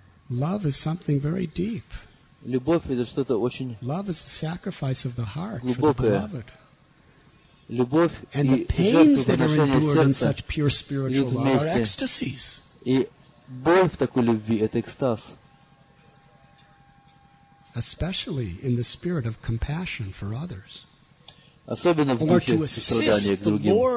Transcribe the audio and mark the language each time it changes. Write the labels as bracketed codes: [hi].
[en] Love is something very deep. [ru] Любовь это что-то очень. [en] Love is the sacrifice of the heart [ru] глубокое. [en] For the beloved. [ru] Любовь [en] and [ru] и жертвоприношение сердца. [en] In such pure spiritual love are ecstasies. [ru] И боль в такой любви это экстаз. [en] Especially in the spirit of compassion for others. [ru] Особенно в духе сострадания к другим.